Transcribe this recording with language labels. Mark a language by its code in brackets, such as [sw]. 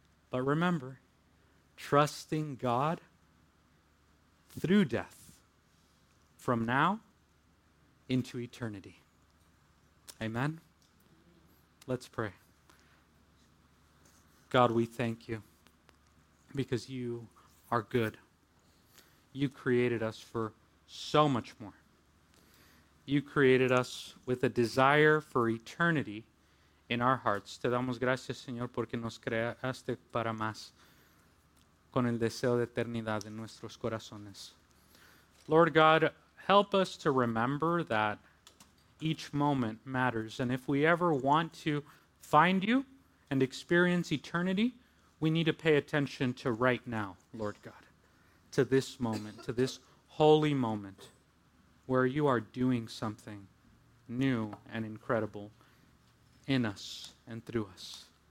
[en] But remember, trusting God through death, from now into eternity. Amen? Let's pray. God, we thank you because you are good. You created us for so much more. You created us with a desire for eternity in our hearts. [es] Te damos gracias, Señor, porque nos creaste para más, con el deseo de eternidad en nuestros corazones. [en] Lord God, help us to remember that each moment matters. And if we ever want to find you and experience eternity, we need to pay attention to right now, Lord God, to this moment, to this holy moment, where you are doing something new and incredible in us and through us.